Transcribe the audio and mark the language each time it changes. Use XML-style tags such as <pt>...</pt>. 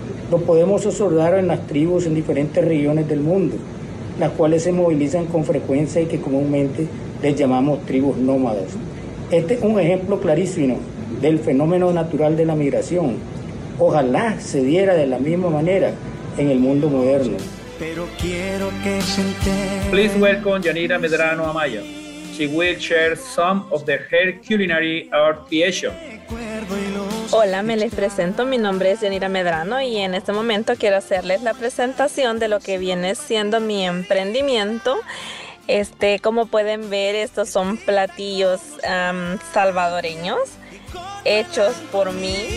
<es>Lo podemos observar en las tribus en diferentes regiones del mundo, las cuales se movilizan con frecuencia y que comúnmente les llamamos tribus nómadas. Este es un ejemplo clarísimo del fenómeno natural de la migración. Ojalá se diera de la misma manera en el mundo moderno. Pero quiero que se entere.</es> <en>Please welcome</en> <es>Yanira Medrano Amaya.</es> <en>She will share some of the her culinary art creation.</en> <es>Hola, me les presento. Mi nombre es Yanira Medrano y en este momento quiero hacerles la presentación de lo que viene siendo mi emprendimiento. Como pueden ver, estos son platillos salvadoreños hechos por mí.</es>